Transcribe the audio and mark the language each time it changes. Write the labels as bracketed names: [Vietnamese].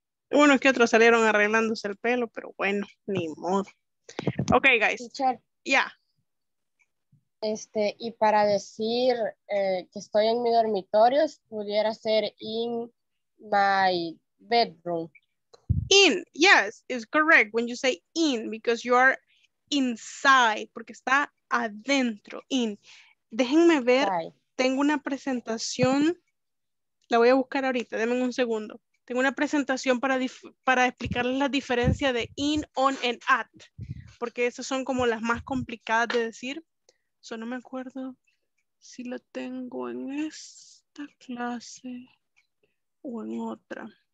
[Spanish] Bueno, es que otros salieron arreglándose el pelo, pero bueno, ni modo. [English] Okay, guys. Yeah. [Spanish] Este, y para decir que estoy en mi dormitorio, pudiera ser [English] in my bedroom. In, yes, it's correct when you say in, because you are inside, [Spanish] porque está adentro, [English] in. [Spanish] Déjenme ver, tengo una presentación, la voy a buscar ahorita, denme un segundo. Tengo una presentación para explicarles la diferencia de in, on, and at, porque esas son como las más complicadas de decir. So, no me acuerdo si la tengo en esta clase o en otra.